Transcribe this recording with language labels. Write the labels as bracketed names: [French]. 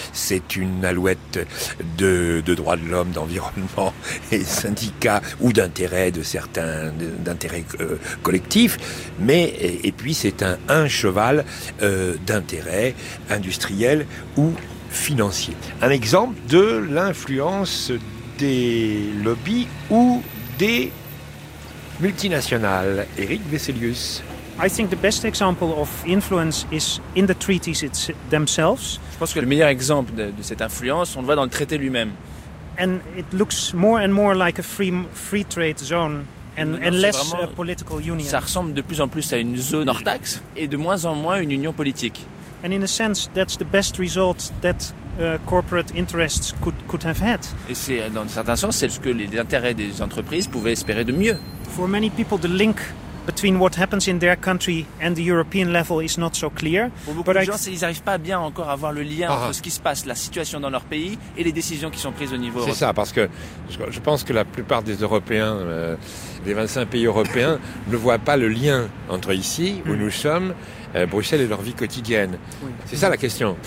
[French] C'est une alouette de droits de l'homme, d'environnement et syndicats ou d'intérêts de certains, d'intérêts collectifs, mais et puis c'est un cheval d'intérêt industriel ou financier. Un exemple de l'influence des lobbies ou des multinationales. Éric Vesselius. [English] I think the best example of influence is in the treaties themselves. [French] Je pense que le meilleur exemple de cette influence, on le voit dans le traité lui-même. [English] And it looks more and more like a free trade zone. And less political union. [French] Ça ressemble de plus en plus à une zone hors taxe et de moins en moins une union politique. [English] And in a sense, that's the best result that corporate interests could have had. [French] Et c'est, dans un certain sens, c'est ce que les intérêts des entreprises pouvaient espérer de mieux. [English] For many people, the link between what happens in their country and the European level is not so clear. [French] Pour beaucoup de gens, ils n'arrivent pas bien encore à voir le lien entre ce qui se passe, la situation dans leur pays et les décisions qui sont prises au niveau européen. C'est ça, parce que je pense que la plupart des Européens, des 25 pays européens, ne voient pas le lien entre ici, où nous sommes, Bruxelles et leur vie quotidienne. Oui. C'est ça la question.